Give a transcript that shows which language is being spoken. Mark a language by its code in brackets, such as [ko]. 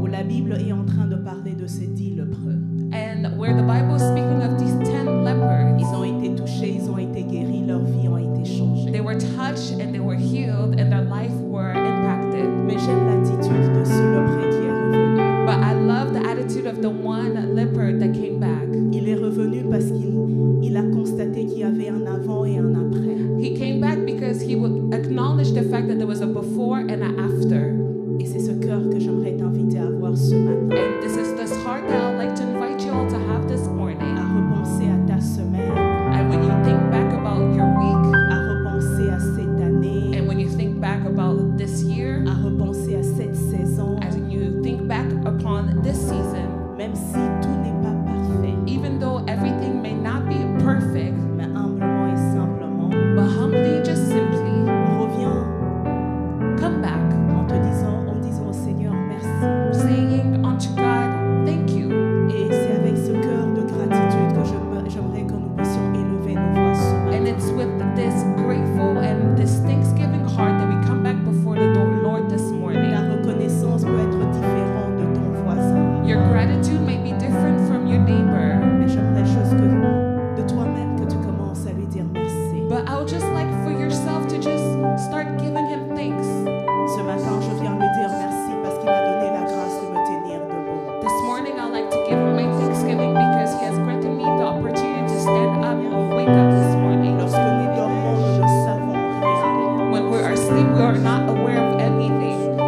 [fr] Où la Bible est en train de parler de ces 10 lépreux. [en] And where the Bible is speaking of these 10 lepers. [fr] Ils ont été touchés, ils ont été guéris, leur vie ont été changées. [en] They were touched and they were healed and their life were impacted. [fr] Mais j'aime l'attitude de ce lépreux qui est revenu. [en] But I love the attitude of the one leper that came back. [fr] Il est revenu parce qu'il a constaté qu'il y avait un avant et un après. [en] He came back because he would acknowledge the fact that there was a before and an after. [fr] Et c'est ce cœur que j'aimerais t'inviter à avoir ce matin. [en] And this is this heart that I'd like to invite you all to have this morning. [fr] À repenser à ta semaine. [en] And when you think back about your week. [fr] À repenser à cette année. [en] And when you think back about this year. [fr] À repenser à cette saison. [en] As you think back upon this season. [fr] Même si tout n'est pas parfait. [en] Even though everything may not be perfect. [fr] Mais humblement et simplement. [en] But humbly, just simply. [fr] Reviens. [en] Come back. [fr] En te disant, en disant au Seigneur, merci. [en] Saying unto God, thank you. [fr] Et c'est avec ce cœur de gratitude que j'aimerais que nous puissions élever nos voix ce matin. [en] And it's with this grateful and this thanksgiving heart that we come back before the Lord this morning. [fr] La reconnaissance peut être différente de ton voisin. [en] Your gratitude may be different from your neighbor. [fr] Mais j'aimerais juste que de toi-même que tu commences à lui dire merci. [en] But I would just like for yourself to just start giving him thanks. [fr] Ce matin, je viens lui dire merci parce qu'il m'a donné la grâce de me tenir debout. [en] This morning, I'd like to give him my thanksgiving because he has granted me the opportunity to stand up and wake up this morning. [fr] Lorsque nous dormons, nous ne savons rien. [en] When we are asleep, we are not aware of anything.